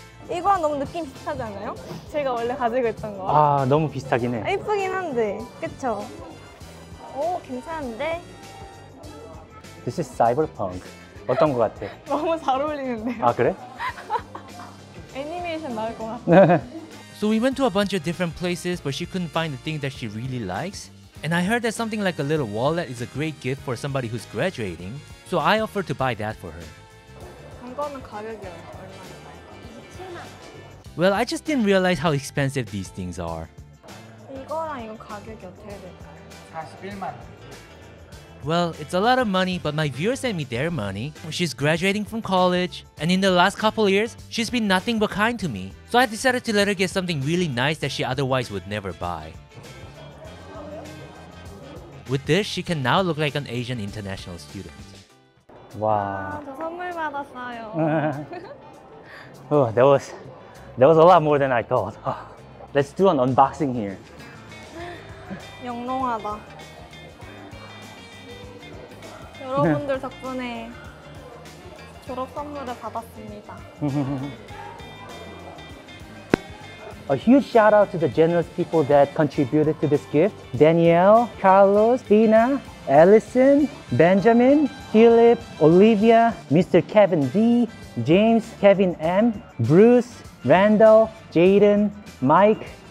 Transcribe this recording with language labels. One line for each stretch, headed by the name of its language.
Korean: 이거랑 너무 느낌 비슷하지 않아요? 제가 원래 가지고 있던 거. 아, 너무 비슷하긴 해. 예쁘긴 한데, 그쵸? 오, 괜찮은데?
English: This is cyberpunk.
Korean: 어떤 거 같아? 너무 잘 어울리는데요. 아, 그래? 애니메이션 나올 것 같아.
English: So we went to a bunch of different places, but she couldn't find the thing that she really likes. And I heard that something like a little wallet is a great gift for somebody who's graduating. So I offered to buy that for her.
Korean: 이거는 가격이 얼마인가요? 27만.
English: Well, I just didn't realize how expensive these things are.
Korean: 이거랑 이거 가격이 어떻게 될까요? 41만.
English: Well, it's a lot of money, but my viewer sent me their money. She's graduating from college, and in the last couple years, she's been nothing but kind to me. So I decided to let her get something really nice that she otherwise would never buy. With this, she can now look like an Asian international student. Wow.
Korean: 아, 저 선물 받았어요.
English: Oh, that was a lot more than I thought. Let's do an unboxing here.
Korean: 영롱하다. 여러분들 덕분에 졸업 선물을 받았습니다.
English: A huge shout out to the generous people that contributed to this gift. Danielle, Carlos, Dina, Allison, Benjamin, Philip, Olivia, Mr. Kevin D, James, Kevin M, Bruce, Randall, Jaden, Mike.